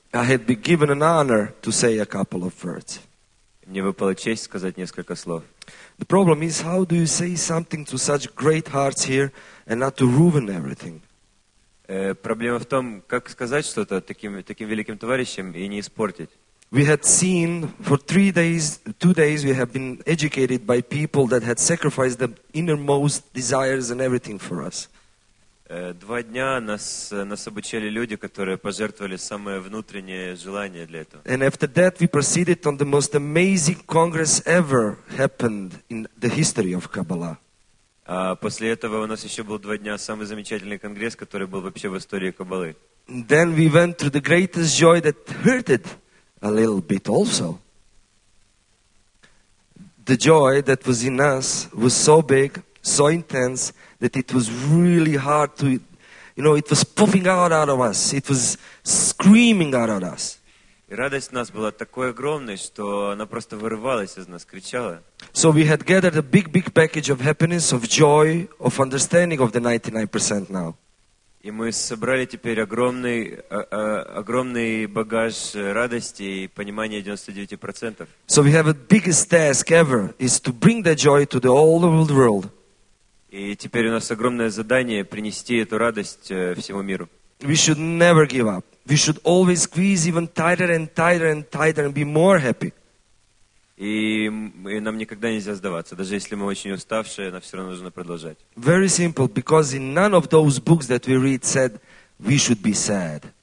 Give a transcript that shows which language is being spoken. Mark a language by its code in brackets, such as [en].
[en] I had been given an honor to say a couple of words. [ru] Мне выпала честь сказать несколько слов. [en] The problem is, how do you say something to such great hearts here and not to ruin everything? [ru] Проблема в том, как сказать что-то таким великим товарищам и не испортить. [en] We had seen for two days, we have been educated by people that had sacrificed their innermost desires and everything for us. [ru] Два дня нас обучали люди, которые пожертвовали самое внутреннее желание для этого. [en] And after that, we proceeded on the most amazing congress ever happened in the history of Kabbalah. [ru] А после этого у нас еще был два дня самый замечательный конгресс, который был вообще в истории Каббалы. [en] Then we went through the greatest joy that hurted. A little bit also. The joy that was in us was so big, so intense, that it was really hard to, you know, it was puffing out of us. It was screaming out of us. [ru] И радость в нас была такой огромной, что она просто вырывалась из нас, кричала. [en] So we had gathered a big, big package of happiness, of joy, of understanding of the 99% now. [ru] И мы собрали теперь огромный багаж радости и понимания 99%. [en] So we have the biggest task ever is to bring that joy to the whole world. [ru] И теперь у нас огромное задание принести эту радость всему миру. [en] We should never give up. We should always squeeze even tighter and tighter and tighter and be more happy. [ru] И нам никогда нельзя сдаваться, даже если мы очень уставшие, нам все равно нужно продолжать. [en] Very simple, because in none of those books that we read said we should be sad.